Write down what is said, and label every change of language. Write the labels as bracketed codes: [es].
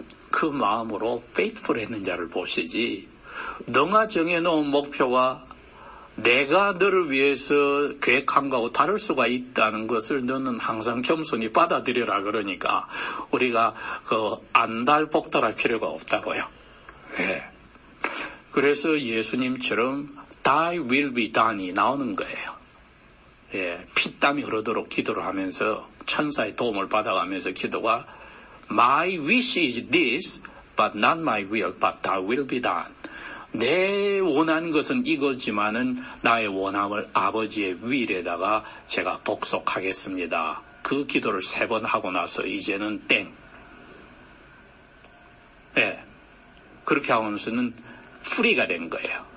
[ko] 그 마음으로 faithful 했는지를 보시지. 너가 정해놓은 목표와 내가 너를 위해서 계획한 것하고 다를 수가 있다는 것을 너는 항상 겸손히 받아들여라. 그러니까 우리가 그 안달복달할 필요가 없다고요. 예. 그래서 예수님처럼 [en] Thy will be done [ko] 이 나오는 거예요. 예, 피땀이 흐르도록 기도를 하면서 천사의 도움을 받아가면서 기도가 [en] My wish is this, but not my will, but Thy will be done. [ko] 내 원하는 것은 이거지만은 나의 원함을 아버지의 will에다가 제가 복속하겠습니다. 그 기도를 세 번 하고 나서 이제는 땡. 예, 그렇게 하면서는 free가 된 거예요.